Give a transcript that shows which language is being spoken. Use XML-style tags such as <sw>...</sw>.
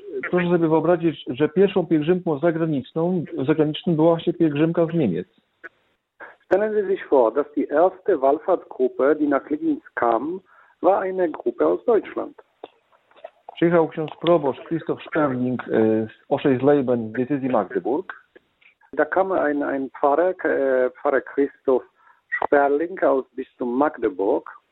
<pl>Proszę sobie wyobrazić, że pierwszą pielgrzymką zagraniczną była właśnie pielgrzymka z Niemiec.</pl> <de>Stellen Sie sich vor, dass die erste Wallfahrtsgruppe, die nach Legnitz kam, war eine Gruppe aus Deutschland.</de> <pl>Przyjechał ksiądz proboszcz Christoph Sperling z Oschersleben, diecezji Magdeburg.</pl> <de>Da kam ein Pfarrer Christoph Sperling aus Bistum Magdeburg,</de>